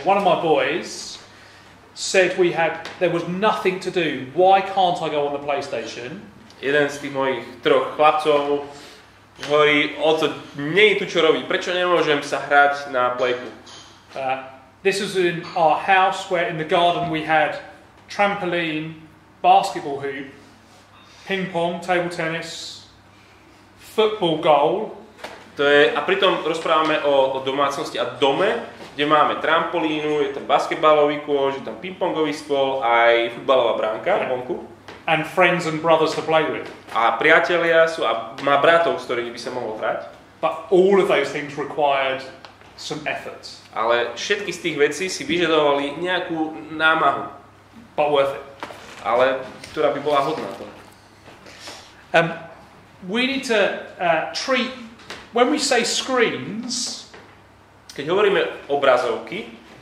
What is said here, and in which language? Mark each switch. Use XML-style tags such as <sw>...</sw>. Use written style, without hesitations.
<en>One of my boys said there was nothing to do. Why can't I go on the PlayStation?</en> <sk>Jeden z tých mojich troch chlapcov hovorí, oto, nie je tu čo robiť. Prečo nemôžem sa hrať na playku?</sk> <en>This was in our house where in the garden we had trampoline, basketball hoop, ping pong, table tennis, football goal.</en> <sk>To je, a pritom rozprávame o domácnosti a dome, kde máme trampolínu, je tam basketbalový kôš, je tam pingpongový stôl, aj futbalová bránka vonku.</sk> <en>And friends and brothers to play with.</en> <sk>A priatelia sú a má bratov, s ktorými by sa mohol hrať.</sk> <en>But all of those things required some effort.</en> <sk>Ale všetky z tých vecí si vyžadovali nejakú námahu.</sk> <en>But worth it.</en> <sk>Ale ktorá by bola hodná to.</sk> <en>We need to treat when we say screens,</en> <sk>keď hovoríme obrazovky,</sk>